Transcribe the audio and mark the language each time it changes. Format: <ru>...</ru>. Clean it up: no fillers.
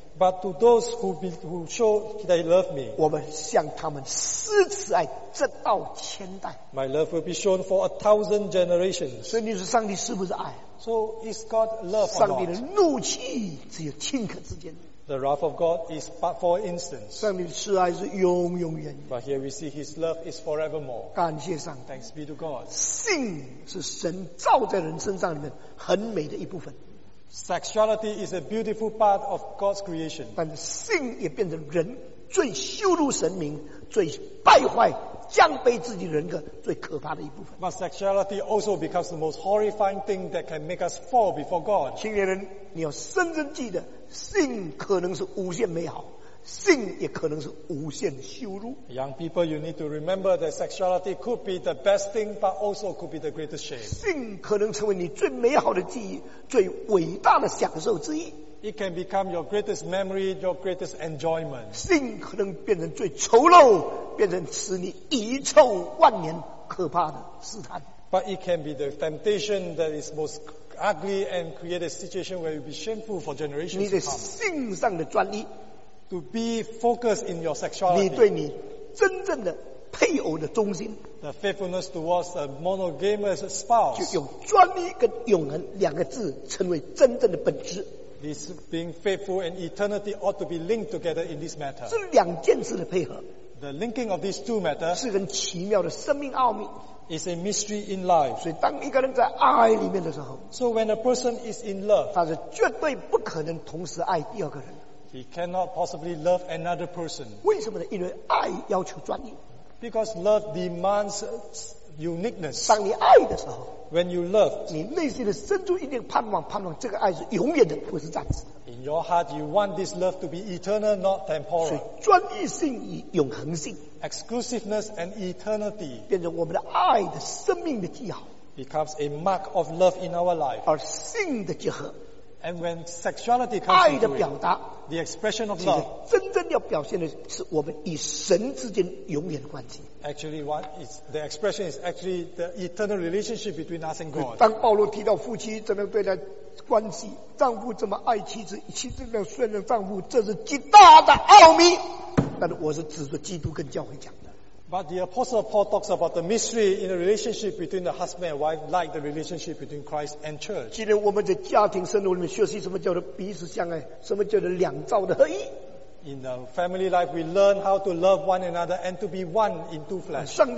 <en>but to those who show they love me.</en> <zh>我们向他们施慈爱直到千代</zh> <en>My love will be shown for 1,000 generations.</en> <zh>所以你说上帝是不是爱</zh> <en>So is God love or not?</en> <zh>上帝的怒气只有顷刻之间</zh> <en>The wrath of God is but for instance.</en> <zh>上帝的慈爱是永永远远</zh> <en>But here we see His love is forevermore.</en> <zh>感谢上帝</zh> <en>Thanks be to God.</en> <zh>性是神造在人身上里面很美的一部分</zh> <en>Sexuality is a beautiful part of God's creation.</en> <zh>但是性也变成人最羞辱神明最败坏降卑自己人格最可怕的一部分</zh> <en>But sexuality also becomes the most horrifying thing that can make us fall before God</en> <zh>青年人你要深深记得性可能是无限美好性也可能是无限羞辱</zh> <en>Young people you need to remember that sexuality could be the best thing but also could be the greatest shame</en> <zh>性可能成为你最美好的记忆最伟大的享受之一</zh> <en>It can become your greatest memory, your greatest enjoyment.</en> <zh>性可能变成最丑陋，变成使你遗臭万年可怕的试探。</zh> <en>But it can be the temptation that is most ugly and create a situation where you will be shameful for generations to come.</en> <zh>你的性上的专一</zh> <en>，to be focused in your sexuality.</en> <zh>你对你真正的配偶的忠心</zh> <en>，the faithfulness towards a monogamous spouse.</en> <zh>就用专一跟永恒两个字成为真正的本质。</zh> <en>This being faithful and eternity ought to be linked together in this matter.</en> <zh>这两件事的配合</zh> <en>The linking of these two matters</en> <zh>是很奇妙的生命奥秘</zh> <en>is a mystery in life.</en> <zh>所以当一个人在爱里面的时候</zh> <en>So when a person is in love,</en> <zh>他是绝对不可能同时爱第二个人</zh> <en>He cannot possibly love another person.</en> <zh>为什么呢？因为爱要求专一</zh> <en>Because love demands uniqueness.</en> <zh>当你爱的时候</zh> <en>When you love,</en> <zh>你内心的深处一定盼望这个爱是永远的，不是暂时的。</zh> <en>In your heart, you want this love to be eternal, not temporal.</en> <zh>所以专一性与永恒性</zh> <en>，exclusiveness and eternity，</en> <zh>变成我们的爱的生命的记号</zh> <en>，becomes a mark of love in our life.</en> <zh>而性的结合</zh> <en>，and when sexuality comes into it，</en> <zh>爱的表达</zh> <en>the expression of love.</en> <zh>真正要表现的是我们与神之间永远的关系。</zh> <en>Actually, what is the expression is actually the eternal relationship between us and God.</en> <zh>当保罗提到夫妻怎么样对待关系。丈夫这么爱妻子，妻子这么顺着丈夫，这是极大的奥秘。但是我是指着基督跟教会讲的。</zh> <en>But the Apostle Paul talks about the mystery in the relationship between the husband and wife, like the relationship between Christ and church.</en> <zh>今天我们在家庭生活里面学习什么叫做彼此相爱，什么叫做两造的合一。</zh> <en>In the family life, we learn how to love one another and to be one in two flesh.</en>